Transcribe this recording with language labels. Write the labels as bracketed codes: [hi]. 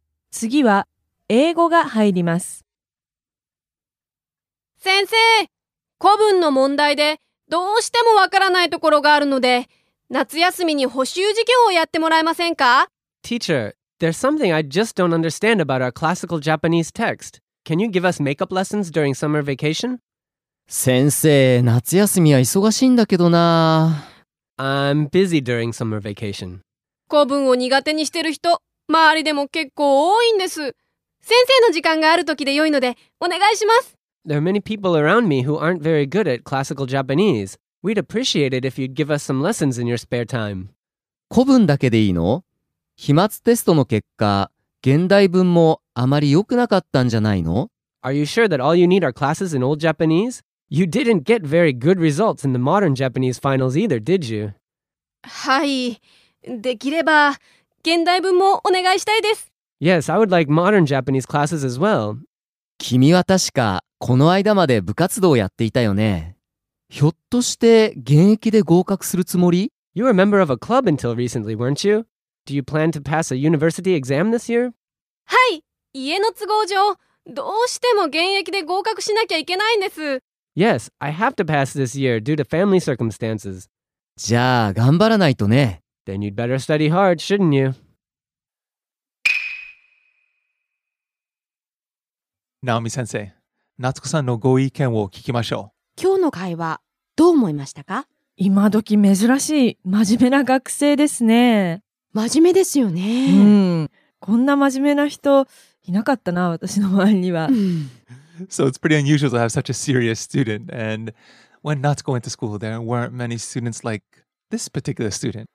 [ja] 次は英語が入ります。先生、古文の問題でどうしてもわからないところがあるので、夏休みに補習授業をやってもらえませんか？ [en] Teacher, there's something I just don't understand about our classical Japanese text. Can you give us makeup lessons during summer vacation? [ja] 先生、夏休みは忙しいんだけどな。 [en] I'm busy during summer vacation. [ja] 古文を苦手にしてる人、周りでも結構多いんです。先生の時間がある時で良いので、お願いします。 [en] There are many people around me who aren't very good at classical Japanese. We'd appreciate it if you'd give us some lessons in your spare time. [ja] 古文だけでいいの？期末テストの結果、現代文もあまり良くなかったんじゃないの？ [en] Are you sure that all you need are classes in old Japanese? You didn't get very good results in the modern Japanese finals either, did you? [ja] はい、できれば現代文もお願いしたいです。 [en] Yes, I would like modern Japanese classes as well. [ja] 君は確かこの間まで部活動をやっていたよね。ひょっとして現役で合格するつもり？ [en] You were a member of a club until recently, weren't you? Do you plan to pass a university exam this year? [ja] はい、家の都合上、どうしても現役で合格しなきゃいけないんです。 [en] Yes, I have to pass this year due to family circumstances. [ja] じゃあ頑張らないとね。 [en] Then you'd better study hard, shouldn't you? [ja] ナオミ先生、夏子さんのご意見を聞きましょう。今日の会話、どう思いましたか？今時珍しい、真面目な学生ですね。真面目ですよね。うん、こんな真面目な人、いなかったな、私の周りには。 [en] So it's pretty unusual to have such a serious student. And when Natsuko went to school, there weren't many students like this particular student.